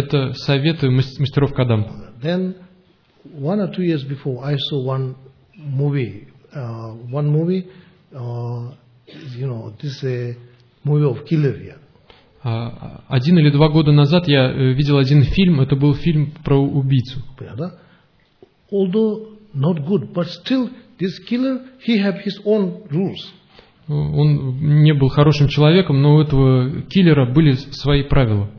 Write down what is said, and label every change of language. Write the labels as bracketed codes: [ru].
[ru] Это советы мастеров Кадампа. [en] Then one or two years before, I saw one movie, you know, this a movie of killer. Yeah. [ru] Один или два года назад я видел один фильм, это был фильм про убийцу. Понятно? [en] Although not good, but still this killer, he have his own rules. [ru] Он не был хорошим человеком, но у этого киллера были свои правила.